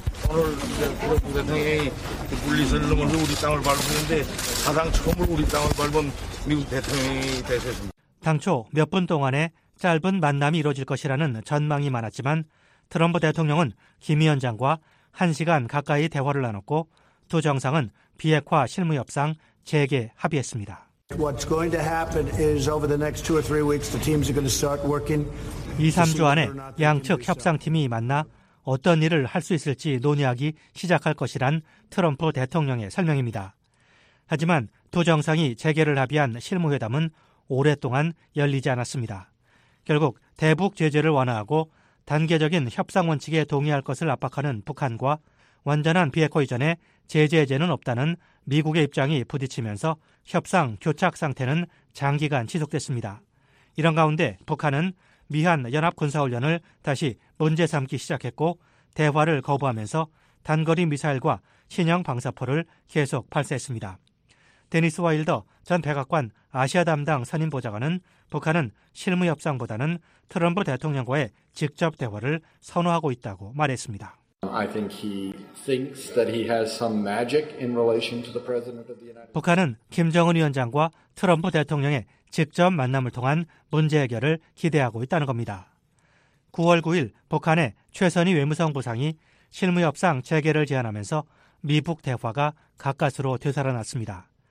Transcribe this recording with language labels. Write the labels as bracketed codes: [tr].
[ko] 오늘 트럼프 대통령이 물리선을 넘어서 우리 땅을 밟았는데 사상 처음으로 우리 땅을 밟은 미국 대통령이 되셨습니다. 당초 몇 분 동안의 짧은 만남이 이루어질 것이라는 전망이 많았지만 트럼프 대통령은 김 위원장과 1시간 가까이 대화를 나눴고 두 정상은 비핵화 실무협상 재개 합의했습니다. [en] What's going to happen is over the next two or three weeks, the teams are going to start working. [ko] 2-3주 안에 양측 협상팀이 만나 어떤 일을 할 수 있을지 논의하기 시작할 것이란 트럼프 대통령의 설명입니다. 하지만 두 정상이 재개를 합의한 실무회담은 오랫동안 열리지 않았습니다. 결국 대북 제재를 완화하고 단계적인 협상 원칙에 동의할 것을 압박하는 북한과 완전한 비핵화 이전에 제재제는 없다는 미국의 입장이 부딪히면서 협상 교착 상태는 장기간 지속됐습니다. 이런 가운데 북한은 미한 연합군사훈련을 다시 문제 삼기 시작했고 대화를 거부하면서 단거리 미사일과 신형 방사포를 계속 발사했습니다. 데니스 와일더 전 백악관 아시아 담당 선임보좌관은 북한은 실무협상보다는 트럼프 대통령과의 직접 대화를 선호하고 있다고 말했습니다. [en] I think he thinks that he has some magic in relation to the president of the United States. [ko] 북한은 김정은 위원장과 트럼프 대통령의 직접 만남을 통한 문제 해결을 기대하고 있다는 겁니다. 9월 9일 북한의 최선희 외무성 부상이 실무협상 재개를 제안하면서 미북 대화가 가까스로 되살아났습니다.